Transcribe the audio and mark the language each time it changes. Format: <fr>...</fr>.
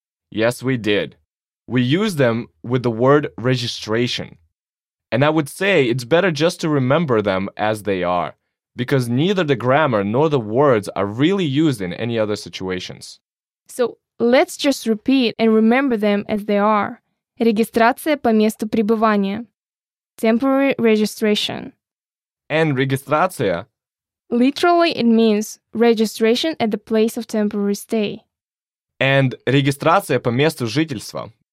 <en>Yes, we did. We used them with the word registration. And I would say it's better just to remember them as they are, because neither the grammar nor the words are really used in any other situations. So let's just repeat and remember them as they are.</en> <ru>Регистрация по месту пребывания.</ru> <en>Temporary registration. And регистрация. Literally, it means registration at the place of temporary stay. And</en> <ru>регистрация по месту жительства.</ru>